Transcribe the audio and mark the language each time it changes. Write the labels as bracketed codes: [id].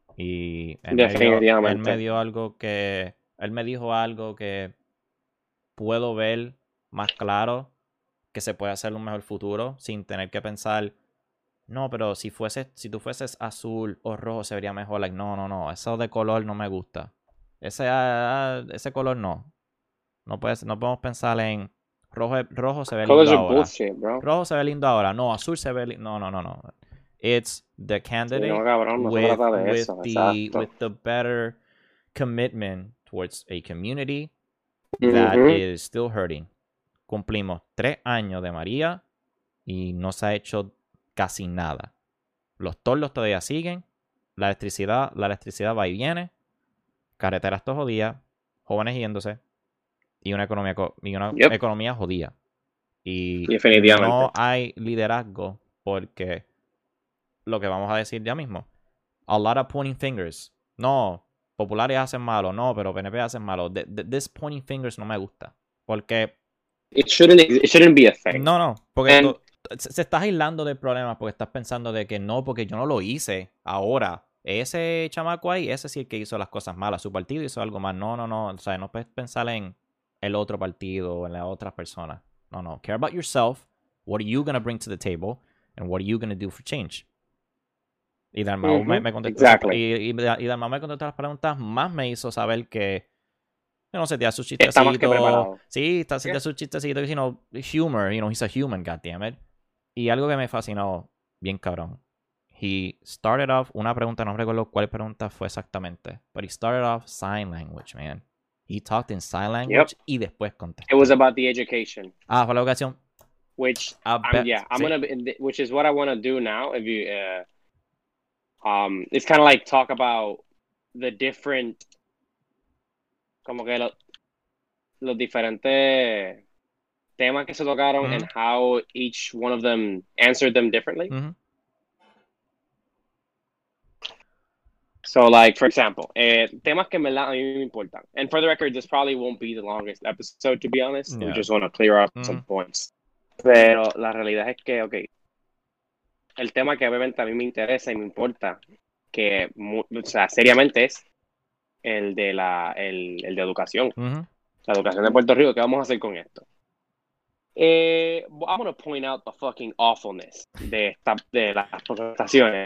[es] Y él me dijo algo que puedo ver más claro que se puede hacer un mejor futuro sin tener que pensar, no, pero si tú fueses azul o rojo se vería mejor. Like, no, eso de color no me gusta, ese color no podemos pensar en rojo se ve lindo. [en] Colors [es] ahora [en] are bullshit, bro. [es] Rojo se ve lindo ahora, no, azul se ve lindo. No. [en] It's the candidate with the better commitment towards a community that is still hurting. [es] Cumplimos 3 años de María y no se ha hecho casi nada. Los toldos todavía siguen. La electricidad va y viene. Carreteras todo jodida. Jóvenes yéndose. Y una economía jodida. Y definitivamente no hay liderazgo porque... lo que vamos a decir ya mismo. [en] A lot of pointing fingers. [es] No, populares hacen malo. No, pero PNP hacen malo. [en] This pointing fingers [es] no me gusta. Porque... [en] It shouldn't be a thing. [es] No. Porque se estás aislando del problema porque estás pensando de que no, porque yo no lo hice ahora. Ese chamaco ahí, ese sí es el que hizo las cosas malas. Su partido hizo algo mal. No. O sea, no puedes pensar en el otro partido o en las otras personas. [en] No. Care about yourself. What are you going to bring to the table? And what are you going to do for change? [es] Y Dalmau me contestó, [en] exactly. [es] Y Dalmau me contestó las preguntas, más me hizo saber que no sentía sus chistecitos. Está más que preparado. Sí, está sentía sus chistecitos, sino humor, [en] you know, he's a human, goddammit. [es] Y algo que me fascinó, bien cabrón. [en] He started off [es] una pregunta, no recuerdo cuál pregunta fue exactamente, [en] but he started off sign language, man. He talked in sign language, yep. [es] Y después contestó. [en] It was about the education. [es] Ah, fue la educación. [en] Which which is what I want to do now if you it's kind of like talk about the different, [es] como que los diferentes temas que se tocaron [en] and how each one of them answered them differently. So, like, for example, [es] temas que me importan. [en] And for the record, this probably won't be the longest episode, to be honest. Yeah. We just want to clear up some points. [es] Pero la realidad es que, okay. El tema que obviamente a mí me interesa y me importa, que, o sea, seriamente es el de la educación. La educación de Puerto Rico, ¿qué vamos a hacer con esto? [en] I'm gonna point out the fucking awfulness [es] de las presentaciones.